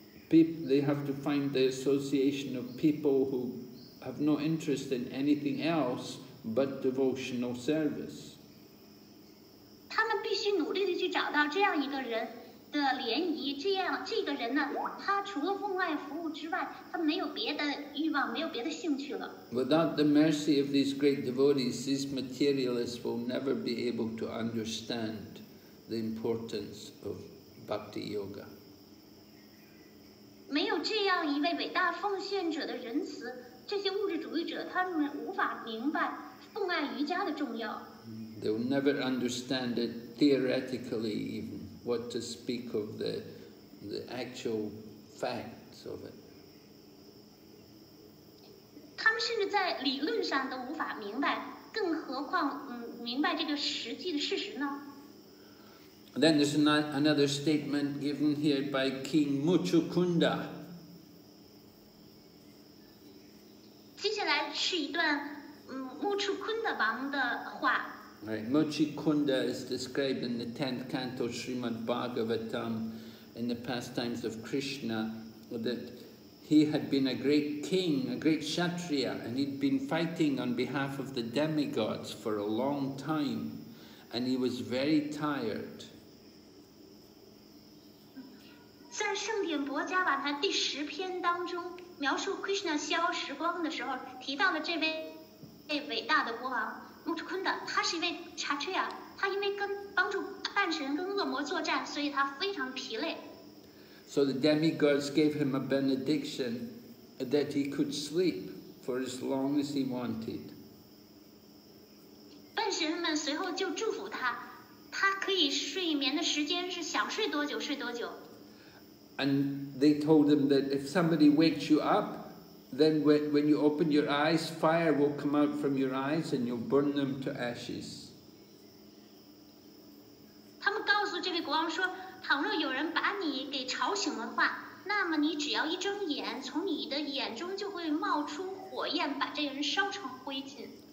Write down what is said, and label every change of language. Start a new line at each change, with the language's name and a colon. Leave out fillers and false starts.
English: They have to find the association of people who have no interest in anything else but devotional service.
Chinese: 他们必须努力地去找到这样一个人的联谊，这样这个人呢，他除了奉爱服务之外，他没有别的欲望，没有别的兴趣了。
English: Without the mercy of these great devotees, these materialists will never be able to understand the importance of bhakti yoga.
Chinese: 没有这样一位伟大奉献者的仁慈，这些物质主义者他们无法明白奉爱瑜伽的重要。
English: They will never understand it theoretically even. What to speak of the actual facts of it.
Chinese: 他们甚至在理论上都无法明白，更何况明白这个实际的事实呢？
English: Then there's another statement given here by King Muchukunda.
Chinese: 接下来是一段Muchukunda 王的话。
English: Right. Muchukunda is described in the 10th canto Srimad Bhagavatam in the pastimes of Krishna that he had been a great king, a great kshatriya, and he'd been fighting on behalf of the demigods for a long time, and he was very tired.
Chinese: 在圣典薄伽瓦他第十篇当中描述 Krishna 消时光的时候提到了这位伟大的国王穆楚昆的，他是一位查彻亚，他因为跟帮助半神跟恶魔作战，所以他非常疲累。
English: So the demigods gave him a benediction that he could sleep for as long as he wanted.
Chinese: 半神们随后就祝福他，他可以睡眠的时间是想睡多久睡多久。
English: And they told him that if somebody wakes you up. Then when you open your eyes, fire will come out from your eyes and you'll burn them to ashes.
Chinese: 他们告诉这位国王说，倘若有人把你给吵醒的话，那么你只要一睁眼，从你的眼中就会冒出火焰，把这个人烧成灰烬。